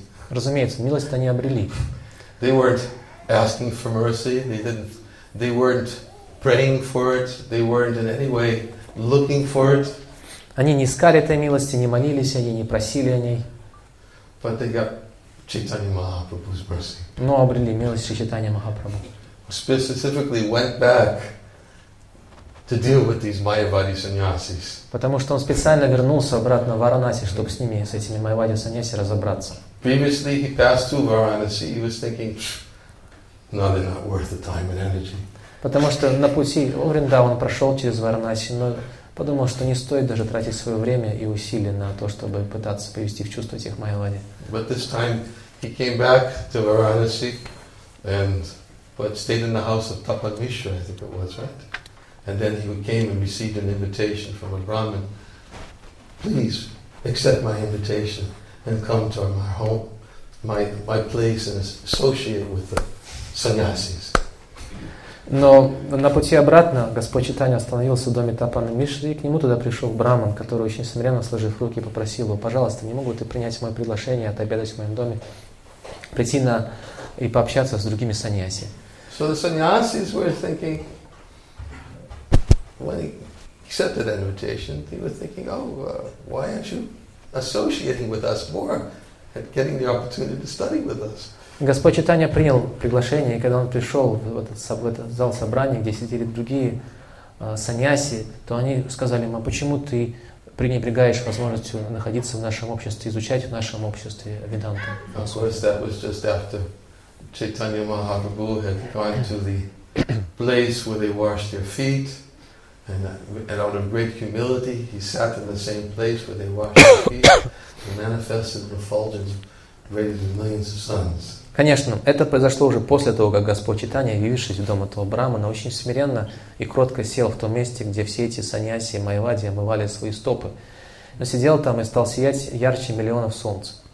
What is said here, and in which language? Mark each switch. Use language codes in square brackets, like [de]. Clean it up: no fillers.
[ru] Разумеется, милость-то они обрели. [en] Asking for mercy, they weren't praying for it, they weren't in any way looking for it. [ru] Они не искали этой милости, не молились о ней, не просили о ней. [en] But they got Chaitanya Mahaprabhu's mercy. [ru] Но обрели милость Чайтанья Махапрабху. [en] Specifically went back to deal with these Mayavadi sannyasis. [ru] Потому что он специально вернулся обратно в Варанаси, чтобы с ними, с этими Mayavadi sannyasi разобраться. [en] Previously he passed through Varanasi, he was thinking, no, they're not worth the time and energy. [ru] Потому что на пути Овринда он прошел через Варанаси, но подумал, что не стоит даже тратить свое время и усилия на то, чтобы пытаться привести в чувство этих Майявади. [en] But this time he came back to Varanasi and but stayed in the house of Tapak Mishra, I think it was, right? And then he came and received an invitation from a Brahmin. Please accept my invitation and come to my home, my place and associate with the sannyasis. [ru] Но на пути обратно Господь Чайтанья остановился в доме Тапана Мишри, и к нему туда пришел Браман, который очень смиренно, сложив руки, попросил его, пожалуйста, не могут ли принять мое приглашение, отобедать в моем доме, прийти на и пообщаться с другими саньяси. [en] So the sannyasis were thinking, when he accepted that invitation, they were thinking, oh, why aren't you associating with us more and getting the opportunity to study with us? [ru] Господь Чайтанья принял приглашение, и когда он пришел в этот зал собрания, где сидели другие саньяси, то они сказали ему, а почему ты пренебрегаешь возможностью находиться в нашем обществе, изучать в нашем обществе веданту? [en] Of course, that was just after Chaitanya Mahaprabhu had gone to the place where they washed their feet, and out of great humility, he sat in the same place where they washed their feet, and manifested the refulgence greater than millions of suns. [ru] Конечно, это произошло уже после того, как Господь Чайтанья, явившись в дом этого брамана, очень смиренно и кротко сел в том месте, где все эти саньяси и майявади омывали свои стопы. Но сидел там и стал сиять ярче миллионов солнц.